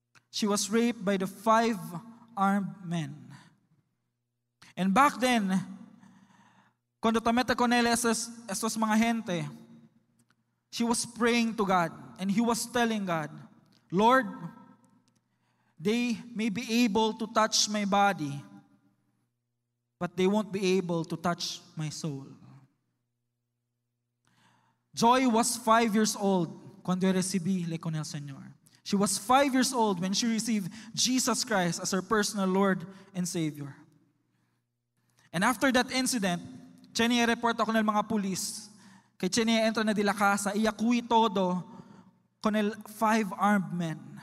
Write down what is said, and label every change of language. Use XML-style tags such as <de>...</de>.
<en>She was raped by the five armed men. And back then,</en> <cbk>cuando tamete con él esos mga gente,</cbk> <en>she was praying to God and he was telling God, Lord, they may be able to touch my body, but they won't be able to touch my soul. Joy was 5 years old</en> <cbk>cuando recibí le con el Señor.</cbk> <en>She was 5 years old when she received Jesus Christ as her personal Lord and Savior. And after that incident, Chenie report</en> <tl>ako ng mga</tl> <en>police.</en> <cbk>Kay Chenie entra na dila casa, iyakuwi todo con el</cbk> <en>five armed men.</en>